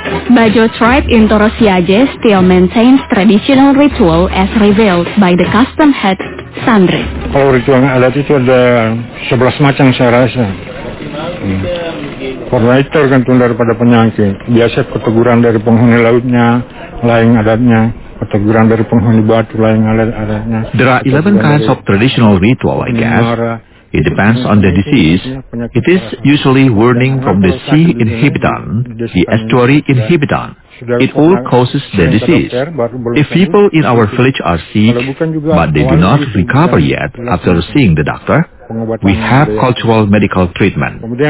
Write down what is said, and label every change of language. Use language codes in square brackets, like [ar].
[en] Bajo tribe in Torosiaje still maintains traditional ritual as revealed by the custom head, Sandri. [id] Kalau ritualnya adat itu ada 11 macam saya rasa. Karena itu tergantung daripada penyakit. Biasa keteguran dari penghuni lautnya, lain adatnya. Keteguran dari penghuni batu, lain adatnya. [en] There are 11 kinds of traditional ritual, I guess. It depends on the disease. It is usually warning from the sea inhibitor, the estuary inhibitor. It all causes the disease. If people in our village are sick, but they do not recover yet after seeing the doctor, we have cultural medical treatment.